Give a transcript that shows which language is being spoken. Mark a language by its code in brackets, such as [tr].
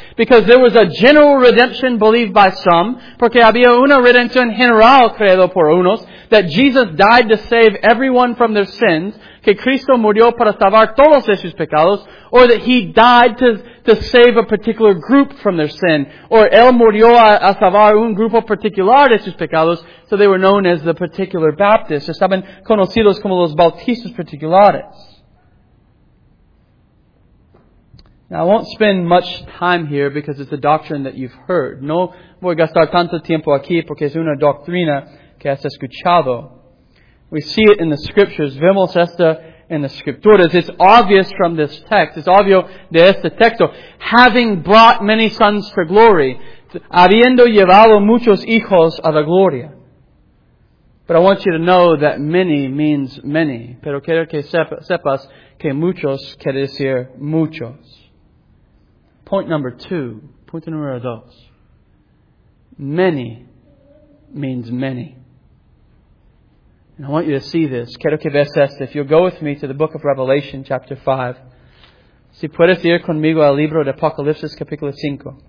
[en] Because there was a general redemption believed by some, [es] porque había una redención general creado por unos, [en] that Jesus died to save everyone from their sins, [es] que Cristo murió para salvar todos de sus pecados, [en] or that He died to save a particular group from their sin, or [es] Él murió a salvar un grupo particular de sus pecados, [en] so they were known as the particular Baptists. [es] Estaban conocidos como los Bautistas Particulares. [en] Now, I won't spend much time here because it's a doctrine that you've heard. [es] No voy a gastar tanto tiempo aquí porque es una doctrina que has escuchado. [en] We see it in the Scriptures. [es] Vemos esta en las Escrituras. [en] It's obvious from this text. It's obvious de este texto. Having brought many sons to glory. [es] Habiendo llevado muchos hijos a la gloria. [en] But I want you to know that many means many. [es] Pero quiero que sepas que muchos quiere decir muchos. Punto número dos. [en] Many means many. And I want you to see this. [es] Quiero que veas esto. [en] If you'll go with me to the book of Revelation, chapter 5. [es] Si puedes ir conmigo al libro de Apocalipsis, capítulo 5.